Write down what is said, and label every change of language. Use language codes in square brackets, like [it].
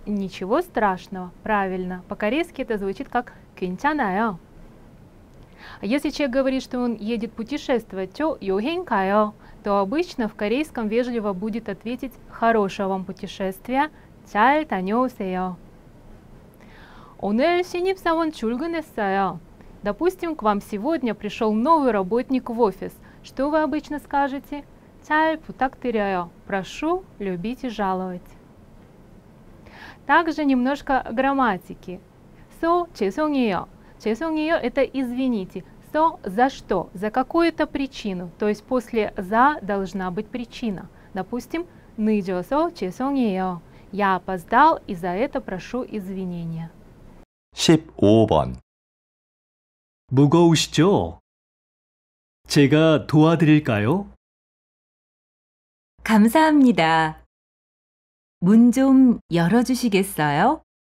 [ru] Ничего страшного. Правильно. По-корейски это звучит как [ko] 괜찮아요. [ru] А если человек говорит, что он едет путешествовать, [ko] 저 여행 가요, [ru] то обычно в корейском вежливо будет ответить хорошего вам путешествия, [ko] 잘 다녀오세요. 오늘 신입사원 출근했어요. [ru] Допустим, к вам сегодня пришел новый работник в офис. Что вы обычно скажете? [ko] 잘 부탁드려요. [ru] Прошу любить и жаловать. Также немножко грамматики. [ko] So, 죄송해요. 죄송해요 [ru] – это извините. So, за что? За какую-то причину. То есть после за должна быть причина. Допустим, [ko] 늦어서 죄송해요. [ru] Я опоздал и за это прошу извинения. [ko] 15번. 무거우시죠? 제가 도와드릴까요? 감사합니다. 문 좀 열어주시겠어요?